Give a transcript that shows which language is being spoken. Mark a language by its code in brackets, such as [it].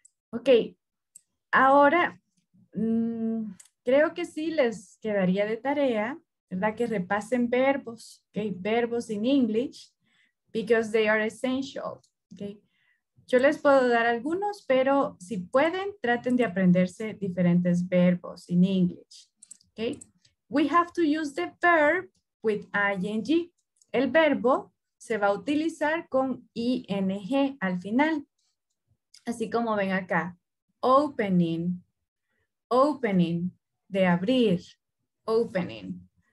[es] Ok, ahora creo que sí les quedaría de tarea, ¿verdad? Que repasen verbos, okay? [en] Verbos in English, because they are essential, okay? [es] Yo les puedo dar algunos, pero si pueden, traten de aprenderse diferentes verbos [en] in English, [es] okay? [en] We have to use the verb with ing. [es] El verbo se va a utilizar con ing al final. Así como ven acá, opening, opening, de abrir, opening.